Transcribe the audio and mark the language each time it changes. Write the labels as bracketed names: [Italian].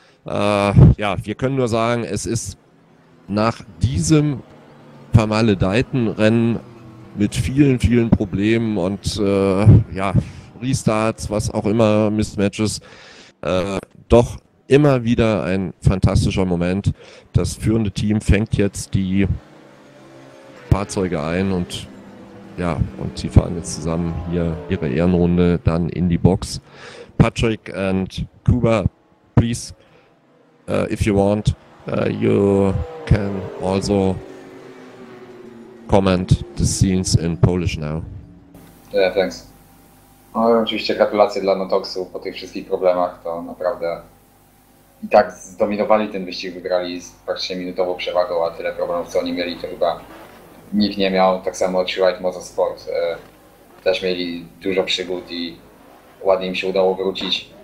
[German] Ja, wir können nur sagen, es ist nach diesem vermaledeiten Rennen mit vielen, vielen Problemen und ja, Restarts, was auch immer, Mismatches, doch immer wieder ein fantastischer Moment. Das führende Team fängt jetzt die Fahrzeuge ein und ja, und sie fahren jetzt zusammen hier ihre Ehrenrunde dann in die Box. [English] Patrick and Kuba, please, if you want, you can also comment the scenes in Polish now. Yeah, thanks. [Polish] No, oczywiście gratulacje dla Notoxu po tych wszystkich problemach, to naprawdę i tak zdominowali ten wyścig, wygrali z praktycznie minutową przewagą, a tyle problemów, co oni mieli, to chyba nikt nie miał. Tak samo True White Motorsport też mieli dużo przygód i ładnie im się udało wrócić.